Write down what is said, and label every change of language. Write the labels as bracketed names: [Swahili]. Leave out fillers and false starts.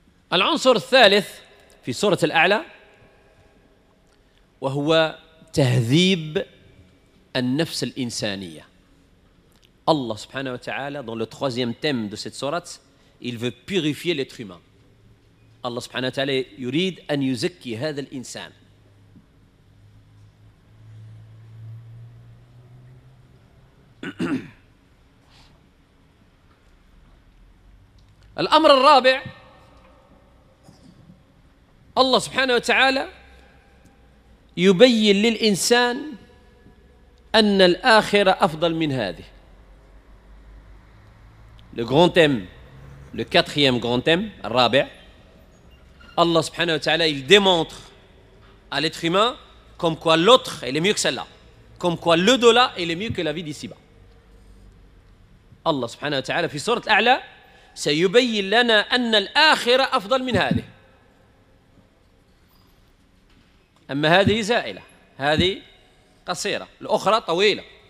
[Arabic] Al-ansur thalith fi surat al-a'la wa huwa tahdhib النفس الإنسانية. الله سبحانه وتعالى [French] dans le troisième thème de cette sourate, il veut purifier l'être humain. [Arabic] الله سبحانه وتعالى يريد أن يزكي هذا الإنسان. الأمر الرابع, الله سبحانه وتعالى يبين للإنسان أن الآخرة أفضل من هذه. [French] Le grand thème, le quatrième grand thème, [Arabic] الرابع, [French] Allah subhanahu wa ta'ala, il démontre à l'être humain comme quoi l'autre, il est mieux que celle-là. Comme quoi l'au-delà, il est mieux que la vie d'ici-bas. [Arabic] Allah subhanahu wa ta'ala, في سورة الأعلى, سيبين لنا أن الآخرة أفضل من هذه. أما هذه زائلة, هذه قصيرة, الأخرى طويلة.